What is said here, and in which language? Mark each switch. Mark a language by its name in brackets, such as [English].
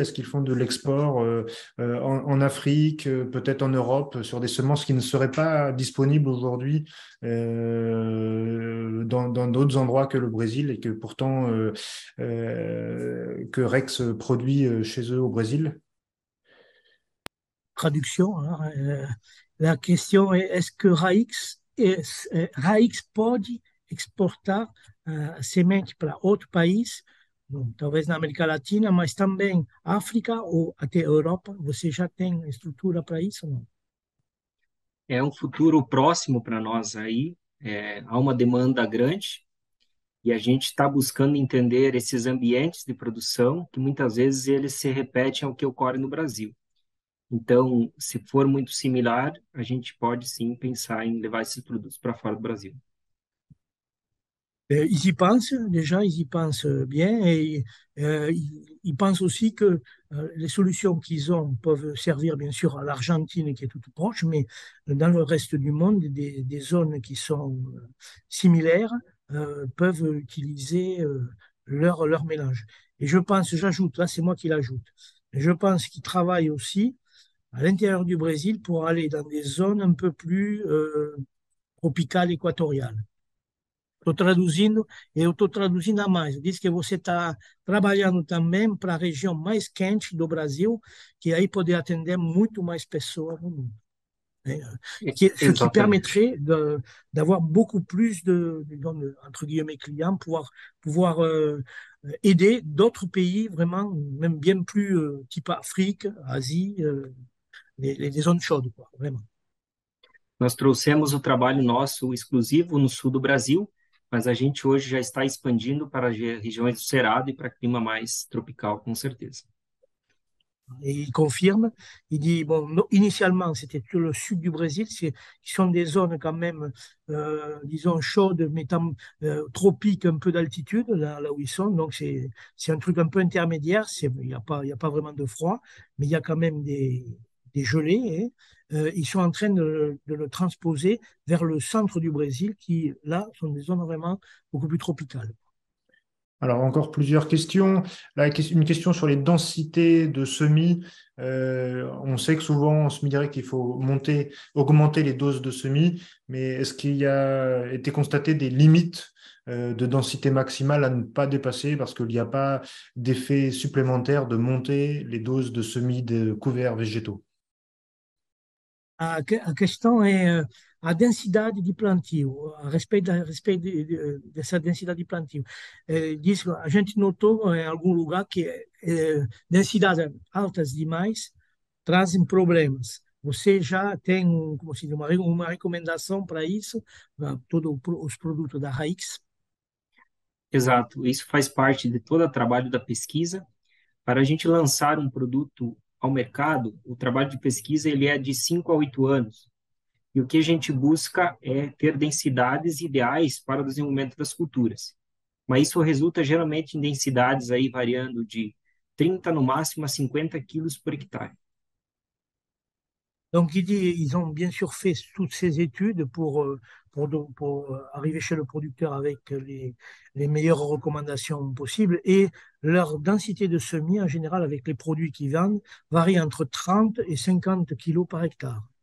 [French] Est-ce qu'ils font de l'export en Afrique, peut-être en Europe, sur des semences qui ne seraient pas disponibles aujourd'hui dans d'autres endroits que le Brésil et que pourtant que REX produit chez eux au Brésil? Traduction, hein. La question est, est-ce que [Portuguese] RAIX pode exportar semente para outro país, talvez na América Latina, mas também África ou até Europa? Você já tem estrutura para isso ou não? É um futuro próximo para nós aí, há uma demanda grande e a gente está buscando entender esses ambientes de produção que muitas vezes eles se repetem ao que ocorre no Brasil. Então, se for muito similar, a gente pode sim pensar em levar esses produtos para fora do Brasil. [French] Ils y pensent, les gens, ils y pensent bien et ils pensent aussi que les solutions qu'ils ont peuvent servir bien sûr à l'Argentine qui est toute proche, mais dans le reste du monde, des zones qui sont similaires peuvent utiliser leur mélange. Et je pense, j'ajoute, là c'est moi qui l'ajoute, je pense qu'ils travaillent aussi à l'intérieur du Brésil pour aller dans des zones un peu plus tropicales, équatoriales. [Portuguese] Estou traduzindo, eu estou traduzindo a mais. Diz que você está trabalhando também para a região mais quente do Brasil, que aí pode atender muito mais pessoas no mundo. Isso que Exatamente. [French] permitiria d'avoir beaucoup plus de entre guillemets, clients, pouvoir aider d'autres pays, vraiment, même bien plus, type Afrique, Ásia, les zones chaudes, quoi, vraiment. [Portuguese] Nós trouxemos o trabalho nosso exclusivo no sul do Brasil, mas a gente hoje já está expandindo para as regiões do Cerrado e para clima mais tropical, com certeza. [French] Il confirme, il dit, bon, initialement, c'était tout le sud du Brésil, qui sont des zones quand même, disons, chaudes, mais tropiques, un peu d'altitude, là où ils sont. Donc, c'est un truc un peu intermédiaire, il n'y a pas vraiment de froid, mais il y a quand même des gelées. Hein. Ils sont en train de le transposer vers le centre du Brésil, qui, là, sont des zones vraiment beaucoup plus tropicales. Alors, encore plusieurs questions. Une question sur les densités de semis. On sait que souvent, on se dirait qu'il faut augmenter les doses de semis, mais est-ce qu'il y a été constaté des limites de densité maximale à ne pas dépasser parce qu'il n'y a pas d'effet supplémentaire de monter les doses de semis de couverts végétaux? [Portuguese] A questão é a densidade de plantio, a respeito dessa densidade de plantio. Diz, a gente notou em algum lugar que densidades altas demais trazem problemas. Você já tem como se diz, uma recomendação para isso, para todos os produtos da Raíx? Exato, isso faz parte de todo o trabalho da pesquisa. Para a gente lançar um produto ao mercado, o trabalho de pesquisa ele é de 5 a 8 anos. E o que a gente busca é ter densidades ideais para o desenvolvimento das culturas. Mas isso resulta geralmente em densidades aí variando de 30 no máximo a 50 quilos por hectare. [French] Donc, ils ont bien sûr fait toutes ces études pour arriver chez le producteur avec les meilleures recommandations possibles. Et leur densité de semis, en général, avec les produits qu'ils vendent, varie entre 30 et 50 kilos par hectare.